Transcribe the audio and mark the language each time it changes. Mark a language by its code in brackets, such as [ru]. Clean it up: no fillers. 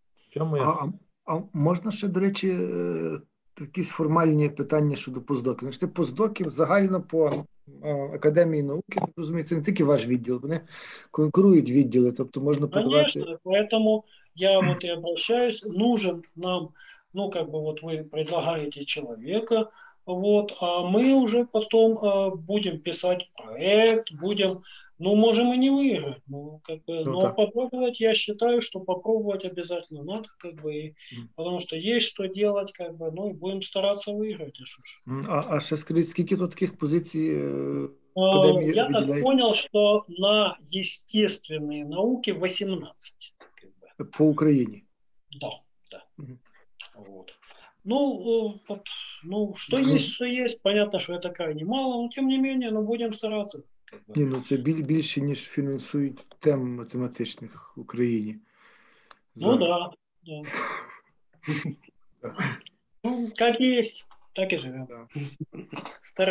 [uk] Чому я... а можна ще, до речі, такі формальні питання щодо постдоків? Значить, постдоків загально по Академії науки, розумію, це не тільки ваш відділ, вони конкурують відділи, тобто можна подавати... Звісно, тому я от і [ru] обращаюсь, нужен нам... Ну, как бы вот вы предлагаете человека, вот, а мы уже потом будем писать проект, будем, ну, можем и не выиграть, ну, как бы, ну, но да. Попробовать, я считаю, что попробовать обязательно надо, как бы, и, потому что есть что делать, как бы, ну, и будем стараться выиграть, если уж. А сейчас скажите, сколько тут таких позиций? Я так понял, что на естественные науки 18. Как бы. По Украине? Да, да. Вот. Ну, вот, ну, что есть, что есть. Понятно, что это крайне мало, но тем не менее, ну, будем стараться. [uk] Не, ну, це більше, ніж фінансують тем математичних в Україні. [ru] Ну, да. Да. Ну, как есть, так и живем. Да.